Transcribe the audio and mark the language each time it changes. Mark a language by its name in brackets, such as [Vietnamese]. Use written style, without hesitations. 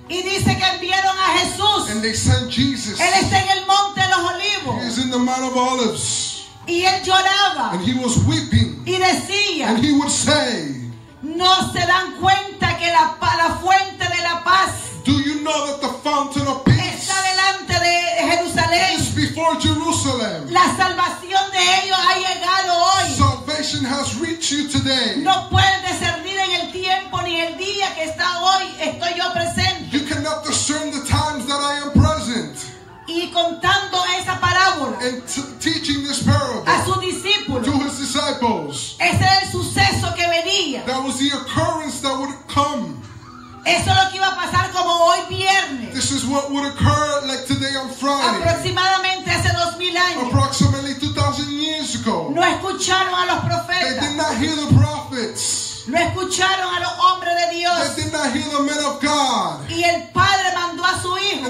[Spanish] Y dice que enviaron a Jesús. [English] And they sent Jesus. [Spanish] Él está en el monte de los olivos. [English] He is in the Mount of Olives. [Spanish] Y él lloraba. [English] And he was weeping. [Spanish] Y decía. [English] And he would say. [Spanish] No se dan cuenta que la fuente de la paz. [English] Do you know that the fountain of peace. [Spanish] Está delante de Jerusalén. [English] Is before Jerusalem. [Spanish] La salvación de ellos ha llegado hoy. [English] Salvation has reached you today. [Spanish] No puedes discernir en el tiempo ni el día que está hoy. Estoy yo presente. [English] You cannot discern the times that I am present. [Spanish] Y contando esa parábola. [English] And teaching this parable. [Spanish] A sus discípulos. [English] To his disciples. [Spanish] Ese era el suceso que venía. [English] That was the occurrence that would come. [Spanish] Eso es lo que iba a pasar como hoy viernes. [English] This is what would occur like today on Friday. [Spanish] Aproximadamente hace 2000 años. [English] Approximately 2000 years ago. [Spanish] No escucharon a los profetas. [English] They did not hear the prophets. [Spanish] No escucharon a los hombres de Dios. [English] They did not hear the men of God. [Spanish] Y el Padre mandó a su hijo.